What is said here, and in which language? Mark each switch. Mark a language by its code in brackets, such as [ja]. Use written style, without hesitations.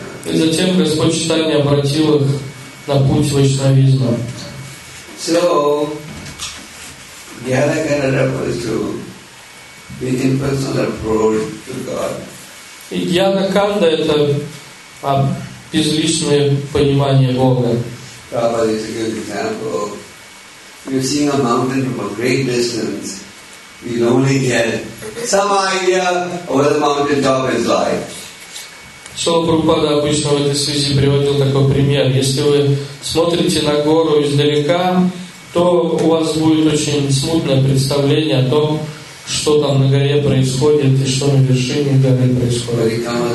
[ru] И затем Господь Чайтанья обратил их на путь вайшнавизма. [en] So, Gyana kind of refers to the impersonal approach to God. [ru] Гьяна Канда — это безличное понимание Бога. [en] Prabhupada is a good example. You're seeing a mountain from a great distance, you can only get some idea of what the mountain top is like. [ru] Шрила Прабхупада обычно в этой связи приводил такой пример. Если вы смотрите на гору издалека, то у вас будет очень смутное представление о том, что там на горе происходит и что на вершине горы происходит.